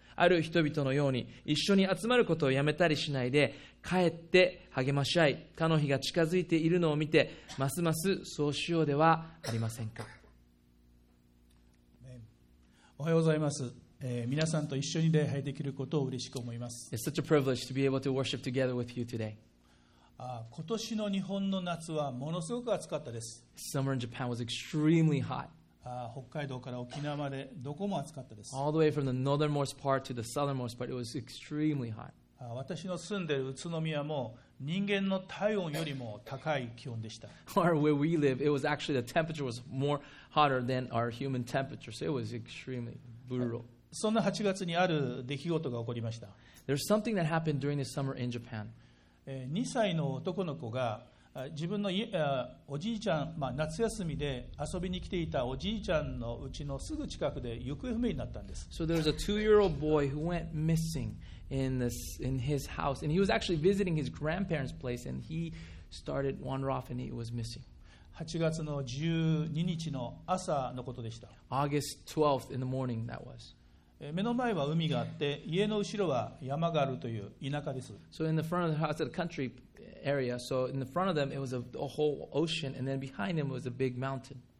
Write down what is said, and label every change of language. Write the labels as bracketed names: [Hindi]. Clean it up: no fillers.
[Japanese] ある人々のように一緒に集まることをやめたりしないで、かえって励まし合い、他の日が近づいているのを見て、ますますそうしようではありませんか。おはようございます。皆さんと一緒に礼拝できることを嬉しく思います。 [English] It's such a privilege to be able to worship together with you today. [Japanese] 今年の日本の夏はものすごく暑かったです。 [English] Summer in Japan was extremely hot. [Japanese] 北海道から沖縄までどこも暑かったです。 [English] All the way from the northernmost part to the southernmost part, it was extremely hot. [Japanese] 私の住んでいる宇都宮も人間の体温よりも高い気温でした。 [English] Where we live, it was actually the temperature was more hotter than our human temperature, so it was extremely brutal. [Japanese] そんな8月にある出来事が起こりました。 [English] There's something that happened during the summer in Japan. [Japanese] 2歳の男の子が自分の家、おじいちゃん、夏休みで遊びに来ていたおじいちゃんのうちのすぐ近くで行方不明になったんです。 [English] So there was a two-year-old boy who went missing. In his house, and he was actually visiting his grandparents' place, and he started wander off, and he was missing. [Japanese] 8月の12日の朝のことでした。 [English] August 12th in the morning, that was. [Japanese] 目の前は海があって、家の後ろは山があるという田舎です。 [English] So in the front of the house is a country area. So in the front of them it was a whole ocean, and then behind them was a big mountain.